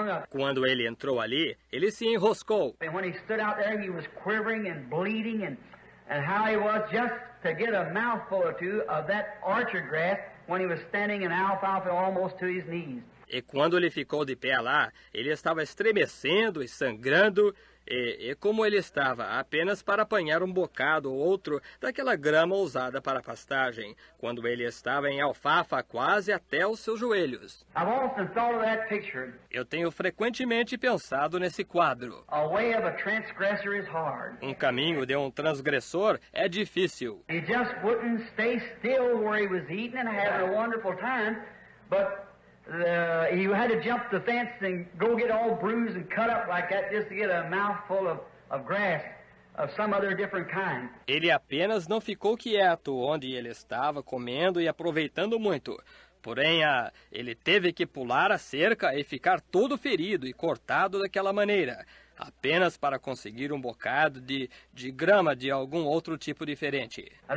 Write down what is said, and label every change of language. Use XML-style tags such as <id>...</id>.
<pt>Quando ele entrou ali, ele se enroscou. E quando ele</pt> <en>stood out there, he was quivering and bleeding, and how he was just to get a mouthful or two of that orchard grass when he was standing in alfalfa almost to his knees.</en> <pt>E quando ele ficou de pé lá, ele estava estremecendo e sangrando, e como ele estava apenas para apanhar um bocado ou outro daquela grama usada para pastagem, quando ele estava em alfafa quase até os seus joelhos.</pt> <en>I've often thought of that picture.</en> <pt>Eu tenho frequentemente pensado nesse quadro.</pt> <en>A way of a transgressor is hard.</en> <pt>Um caminho de um transgressor é difícil.</pt> <en>He just wouldn't stay still where he was eating and having a wonderful time, but you had to jump the fence and go get all bruised and cut up like that just to get a mouthful of grass of some other different kind.</en> <pt>Ele apenas não ficou quieto onde ele estava comendo e aproveitando muito. Porém, ele teve que pular a cerca e ficar todo ferido e cortado daquela maneira, apenas para conseguir um bocado de grama de algum outro tipo diferente.</pt>